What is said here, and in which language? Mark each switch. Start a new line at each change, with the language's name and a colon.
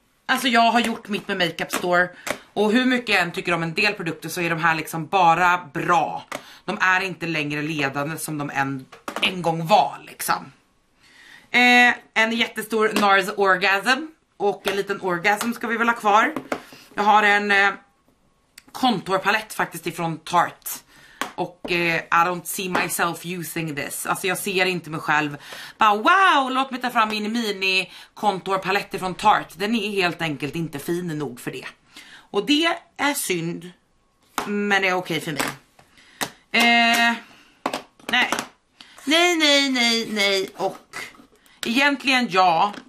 Swedish: Alltså jag har gjort mitt med Makeup Store. Och hur mycket jag än tycker om en del produkter så är de här liksom bara bra. De är inte längre ledande som de en gång var liksom. En jättestor NARS Orgasm. Och en liten orgasm ska vi väl ha kvar. Jag har en kontorpalett faktiskt ifrån Tarte. Och
English: I don't see myself using this.
Swedish: Alltså jag ser inte mig själv. Bara wow, låt mig ta fram min mini kontorpalett ifrån Tarte. Den är helt enkelt inte fin nog för det. Och det är synd. Men det är okej för mig. Nej. Nej, nej, nej, nej. Och egentligen ja.